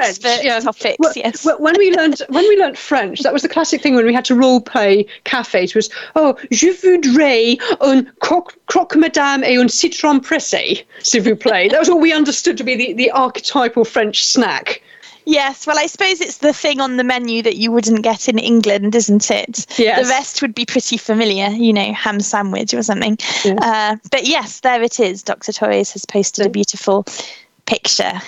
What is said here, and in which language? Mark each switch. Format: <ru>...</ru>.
<en>When we learned French, that was the classic thing when we had to role play cafes. It was, oh,</en> <fr>je voudrais un croque madame et un citron pressé, s'il vous plaît.</fr> <en>That was what we understood to be the archetypal French snack. Yes, well, I suppose it's the thing on the menu that you wouldn't get in England, isn't it? Yes. The rest would be pretty familiar, you know, ham sandwich or something. Yes. But yes, there it is. Dr. Torres has posted a beautiful picture.</en>